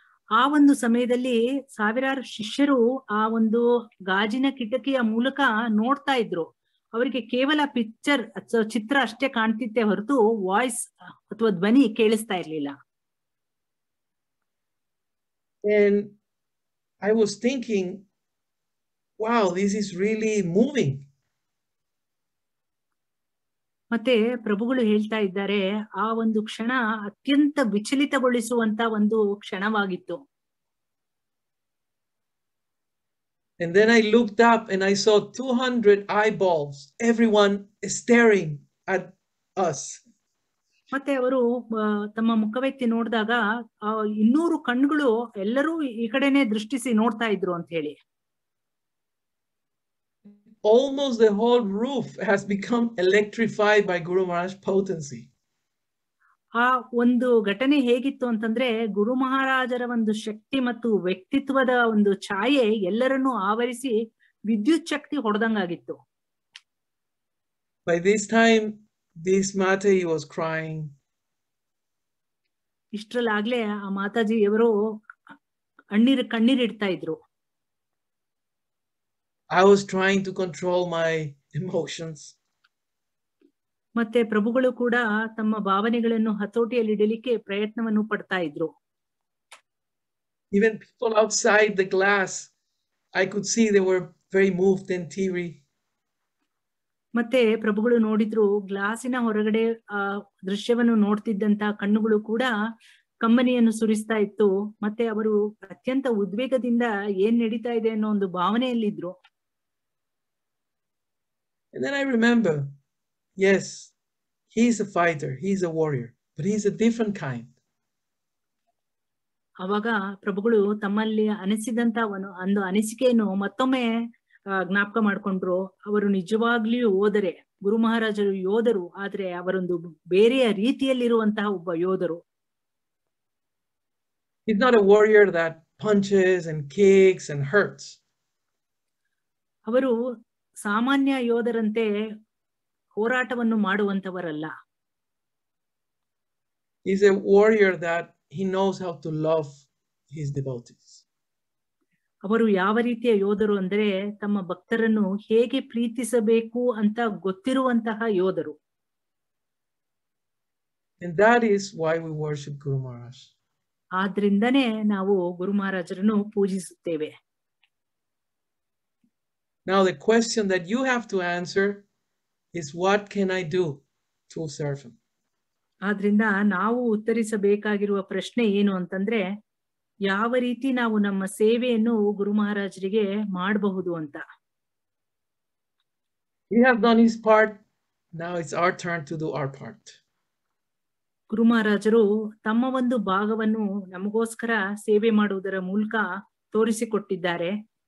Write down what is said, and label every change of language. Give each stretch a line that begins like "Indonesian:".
Kannada: ಆ ಒಂದು ಸಮಯದಲ್ಲಿ ಸಾವಿರಾರು ಶಿಷ್ಯರು ಆ ಒಂದು ಗಾಜಿನ ಕಿಟಕಿಯ ಮೂಲಕ ನೋಡ್ತಾ ಇದ್ರು. ಅವರಿಗೆ ಕೇವಲ ಪಿಕ್ಚರ್, ಚಿತ್ರ ಅಷ್ಟೇ ಕಾಣ್ತಿತ್ತೆ ಹೊರತು ವಾಯ್ಸ್ ಅಥವಾ ಧ್ವನಿ ಕೇಳಿಸ್ತಾ ಇರ್ಲಿಲ್ಲ.
English: And I was thinking, wow, this is really moving.
Kannada: ಮತ್ತೆ ಪ್ರಭುಗಳು ಹೇಳ್ತಾ ಇದ್ದಾರೆ, ಆ ಒಂದು ಕ್ಷಣ ಅತ್ಯಂತ ವಿಚಲಿತಗೊಳಿಸುವಂತ ಒಂದು ಕ್ಷಣವಾಗಿತ್ತು.
English: And then I looked up and I saw 200 eyeballs, everyone staring at us.
Kannada: ಮತ್ತೆ ಅವರು ತಮ್ಮ ಮುಖವೆತ್ತಿ ನೋಡಿದಾಗ 200 ಕಣ್ಣುಗಳು ಎಲ್ಲರೂ ಈ ಕಡೆನೆ ದೃಷ್ಟಿಸಿ ನೋಡ್ತಾ ಇದ್ರು ಅಂತ ಹೇಳಿ.
English: Almost the whole roof has become electrified by Guru Maharaj's potency.
Kannada: ಆ ಒಂದು ಘಟನೆ ಹೇಗಿತ್ತು ಅಂತಂದ್ರೆ, ಗುರು ಮಹಾರಾಜರ ಒಂದು ಶಕ್ತಿ ಮತ್ತು ವ್ಯಕ್ತಿತ್ವದ ಒಂದು ಛಾಯೆ ಎಲ್ಲರನ್ನು ಆವರಿಸಿ ವಿದ್ಯುತ್ ಶಕ್ತಿ ಹೊಡೆದಂಗಾಗಿತ್ತು.
English: By this time, this Mataji was crying.
Kannada: ಇಷ್ಟರಲ್ಲಾಗ್ಲೇ ಆ ಮಾತಾಜಿಯವರು ಕಣ್ಣೀರ್ ಇಡ್ತಾ ಇದ್ರು.
English: I was trying to control my emotions.
Kannada: ಮತ್ತೆ ಪ್ರಭುಗಳು ಕೂಡ ತಮ್ಮ ಭಾವನೆಗಳನ್ನು ಹತೋಟಿಯಲ್ಲಿ ಇಡಲಿಕ್ಕೆ ಪ್ರಯತ್ನವನ್ನು ಪಡ್ತಾ ಇದ್ರು.
English: Even people outside the glass, I could see they were very moved and teary.
Kannada: ಮತ್ತೆ ಪ್ರಭುಗಳು ನೋಡಿದ್ರು, ಗ್ಲಾಸಿನ ಹೊರಗಡೆ ಆ ದೃಶ್ಯವನ್ನು ನೋಡ್ತಿದ್ದಂತ ಕಣ್ಣುಗಳು ಕೂಡ ಕಂಬನಿಯನ್ನು ಸುರಿಸ್ತಾ ಇತ್ತು. ಮತ್ತೆ ಅವರು ಅತ್ಯಂತ ಉದ್ವೇಗದಿಂದ ಏನ್ ನಡೀತಾ ಇದೆ ಅನ್ನೋ ಒಂದು ಭಾವನೆಯಲ್ಲಿದ್ರು.
English: And then I remember, yes, he's a fighter, he's a warrior, but he's a different kind.
Kannada: ಅವಾಗ ಪ್ರಭುಗಳು ತಮ್ಮಲ್ಲಿ ಅನಿಸಿದಂತ ಒಂದು ಅನಿಸಿಕೆಯನ್ನು ಮತ್ತೊಮ್ಮೆ ಜ್ಞಾಪಕ ಮಾಡಿಕೊಂಡ್ರು. ಅವರು ನಿಜವಾಗ್ಲಿಯೂ ಯೋಧರೆ, ಗುರು ಮಹಾರಾಜರು ಯೋಧರು, ಆದ್ರೆ ಅವರೊಂದು ಬೇರೆಯ ರೀತಿಯಲ್ಲಿರುವಂತಹ ಒಬ್ಬ ಯೋಧರು.
English: He's not a warrior that punches and kicks and hurts.
Kannada: ಅವರು ಸಾಮಾನ್ಯ ಯೋಧರಂತೆ ಹೋರಾಟವನ್ನು ಮಾಡುವಂತವರಲ್ಲ.
English: He's a warrior that he knows how to love his devotees.
Kannada: ಅವರು ಯಾವ ರೀತಿಯ ಯೋಧರು ಅಂದ್ರೆ, ತಮ್ಮ ಭಕ್ತರನ್ನು ಹೇಗೆ ಪ್ರೀತಿಸಬೇಕು ಅಂತ ಗೊತ್ತಿರುವಂತಹ ಯೋಧರು.
English: And that is why we worship Guru Maharaj.
Kannada: ಆದ್ರಿಂದನೆ ನಾವು ಗುರು ಮಹಾರಾಜರನ್ನು ಪೂಜಿಸುತ್ತೇವೆ.
English: Now the question that you have to answer is, what can I do to serve him?
Kannada: ಆದ್ರಿಂದ ನಾವು ಉತ್ತರಿಸಬೇಕಾಗಿರುವ ಪ್ರಶ್ನೆ ಏನು ಅಂತಂದ್ರೆ, ಯಾವ ರೀತಿ ನಾವು ನಮ್ಮ ಸೇವೆಯನ್ನು ಗುರು ಮಹಾರಾಜರಿಗೆ ಮಾಡಬಹುದು ಅಂತ.
English: We have done his part, now it's our turn to do our part.
Kannada: ಗುರು ಮಹಾರಾಜರು ತಮ್ಮ ಒಂದು ಭಾಗವನ್ನು ನಮಗೋಸ್ಕರ ಸೇವೆ ಮಾಡುವುದರ ಮೂಲಕ ತೋರಿಸಿಕೊಟ್ಟಿದ್ದಾರೆ.